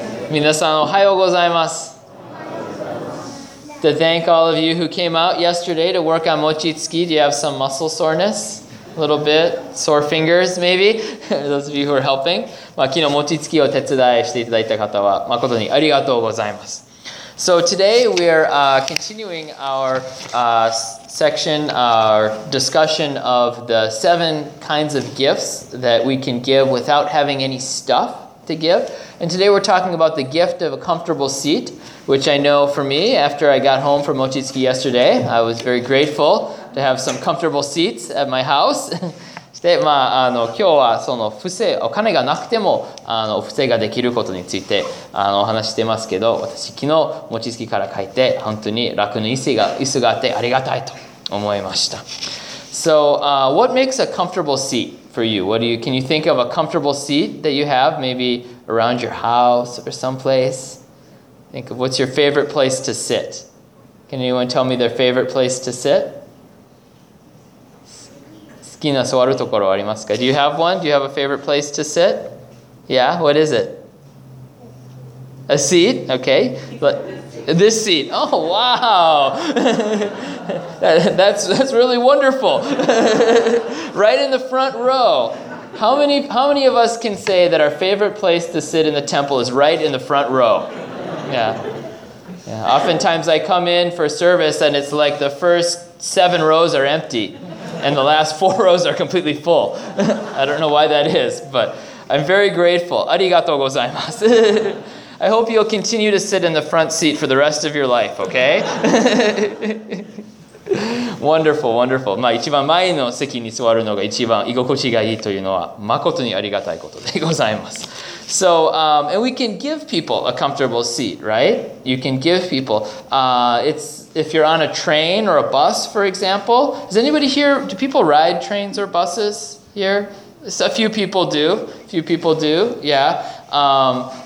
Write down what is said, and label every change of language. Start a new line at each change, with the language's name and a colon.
Japanese: 皆さん、おはようございます。
English: To thank all of you who came out yesterday to work on mochitsuki, do you have some muscle soreness? A little bit, sore fingers maybe, those of you who are helping.
Japanese: 昨日餅つきを手伝いしていただいた方は誠にありがとうございます。
English: So today we are continuing our section, our discussion of the seven kinds of gifts that we can give without having any stuff to give. And today we're talking about the gift of a comfortable seat, which I know for me, after I got home from mochi tsuki yesterday, I was very grateful to have some comfortable seats at my house.
Japanese: して、まあ、あの、今日はその布施、お金がなくても、あの、布施ができることについて、あの、お話してますけど、私、昨日、もちつきから帰って、本当に楽の椅子があってありがたいと思いました。
English: So, what makes a comfortable seat for you? Can you think of a comfortable seat that you have, maybe around your house or someplace? Think of what's your favorite place to sit? Can anyone tell me their favorite place to sit?
Japanese: 好きな座るところありますか?
English: Do you have one? Do you have a favorite place to sit? Yeah, what is it? A seat? Okay. This seat. Oh, wow. that's really wonderful. Right in the front row. How many of us can say that our favorite place to sit in the temple is right in the front row? Yeah. Yeah. Oftentimes I come in for service and it's like the first seven rows are empty. And the last four rows are completely full. I don't know why that is, but I'm very grateful.
Japanese: Arigatou gozaimasu.
English: I hope you'll continue to sit in the front seat for the rest of your life, okay? Wonderful, wonderful.
Japanese: まあ一番前の席に座るのが一番居心地がいいというのは誠にありがたいことでございます。
English: So, and we can give people a comfortable seat, right? You can give people, if you're on a train or a bus, for example. Is anybody here, do people ride trains or buses here? A few people do, yeah.